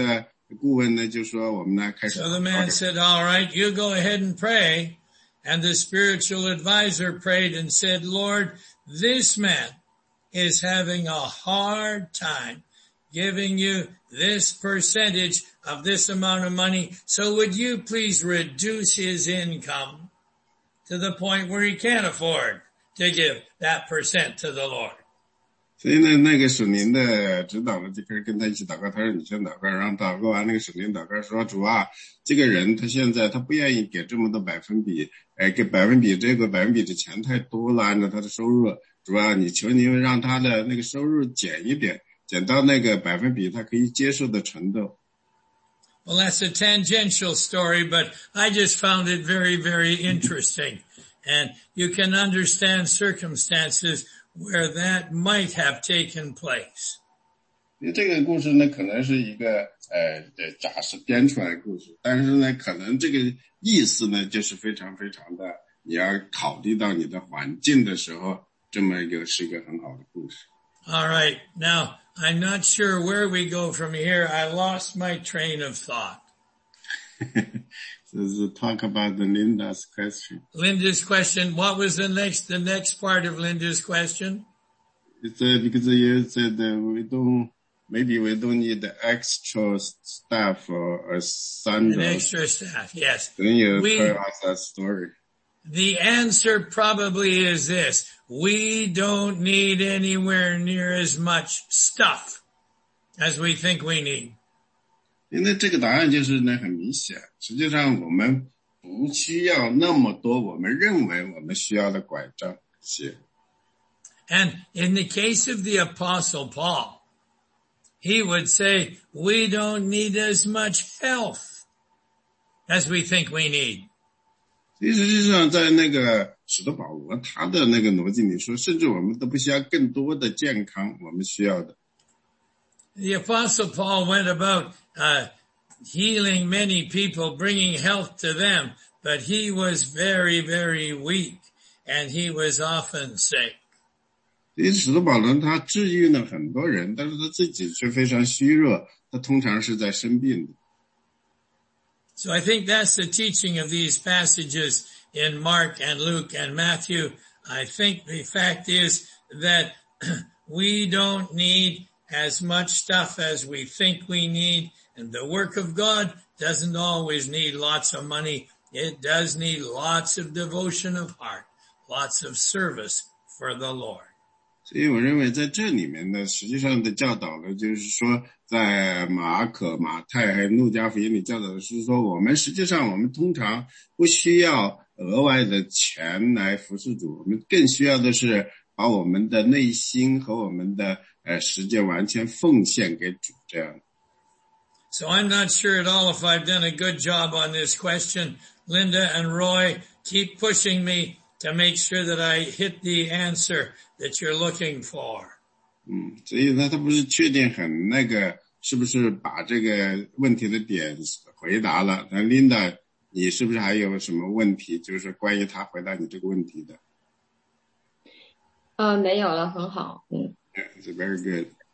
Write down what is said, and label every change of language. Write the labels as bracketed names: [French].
[Chinese] 所以呢，然后他的那个属灵的顾问呢，就说我们来开始。 [English] So the man said, all right, you go ahead and pray. And the spiritual advisor prayed and said, Lord, this man is having a hard time giving you this percentage of this amount of money. So would you please reduce his income to the point where he can't afford to give that percent to the Lord. [Chinese] 所以呢，那个属灵的指导呢，就开始跟他一起祷告。他说：“你先祷告。”然后祷告完，那个属灵祷告说：“主啊，这个人他现在他不愿意给这么多百分比，给百分比这个百分比的钱太多了，按照他的收入。” 主啊，你求你让他的那个收入减一点，减到那个百分比他可以接受的程度。 [English] Well, that's a tangential story, but I just found it very, very interesting. And you can understand circumstances where that might have taken place. [Chinese] 这个故事呢，可能是一个假设编出来的故事，但是呢，可能这个意思呢，就是非常非常的，你要考虑到你的环境的时候，这么一个是一个很好的故事。 [English] All right, now I'm not sure where we go from here. I lost my train of thought. Let's talk about the Linda's question. Linda's question. What was the next part of Linda's question? It's because you said that we don't need the extra staff or a Sandra. An extra staff, yes. Then you tell us that story. The answer probably is this. We don't need anywhere near as much stuff as we think we need. [Chinese] 因为这个答案就是呢很明显，实际上我们不需要那么多我们认为我们需要的拐杖鞋。 [English] And in the case of the Apostle Paul, he would say, we don't need as much health as we think we need. [Chinese] 实际上在那个使徒保罗他的那个逻辑里说，甚至我们都不需要更多的健康我们需要的。 [English] The Apostle Paul went about healing many people, bringing health to them, but he was very, very weak, and he was often sick. [Chinese] 因为使徒保罗他治愈了很多人，但是他自己却非常虚弱，他通常是在生病的。 [English] So I think that's the teaching of these passages in Mark and Luke and Matthew. I think the fact is that we don't need as much stuff as we think we need. And the work of God doesn't always need lots of money. It does need lots of devotion of heart, lots of service for the Lord. [Chinese] 所以我认为在这里面呢，实际上的教导呢，就是说在马可、马太还有路加福音里教导的是说，我们实际上我们通常不需要额外的钱来服侍主，我们更需要的是把我们的内心和我们的时间完全奉献给主这样。 [English] So I'm not sure at all if I've done a good job on this question. Linda and Roy keep pushing me to make sure that I hit the answer that you're looking for. [Chinese] 所以呢，他不是确定很那个，是不是把这个问题的点回答了？那 Linda， 你是不是还有什么问题？就是关于他回答你这个问题的？没有了，很好。 [English] Yeah, it's very good.